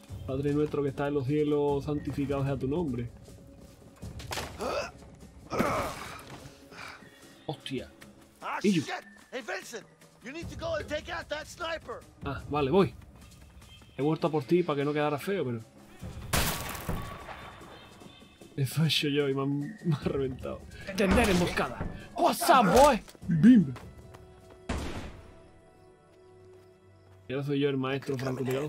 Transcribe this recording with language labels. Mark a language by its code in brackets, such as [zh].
[es] Padre nuestro que estás en los cielos, santificado sea tu nombre. Hostia. Ah, y [en] hey, Vincent, you need to go and take out that sniper. [es] Ah, vale, voy. He vuelto a por ti para que no quedara feo, pero. Eso he hecho yo y me ha reventado. Tender emboscada. [en] What's up, boy? ¡Bim! [es] Y ahora soy yo el maestro francotirador.